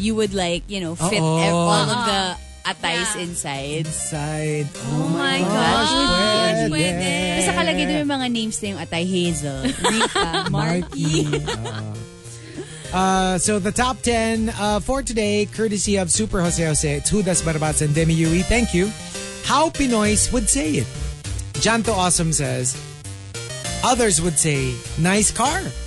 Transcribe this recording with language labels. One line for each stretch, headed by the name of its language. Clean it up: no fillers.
English: You would like, you know, fit all of the atays inside. Inside. Oh my gosh.
Filipino: Pwede. Pwede. Tapos nakalagay doon yung mga names na yung atay. Hazel. Rika. Marky.
English: So the top 10 for today, courtesy of Super Jose Jose, it's Judas Barbats and Demi Yui. Thank you. How Pinoys would say it. Janto Awesome says, others would say, nice car.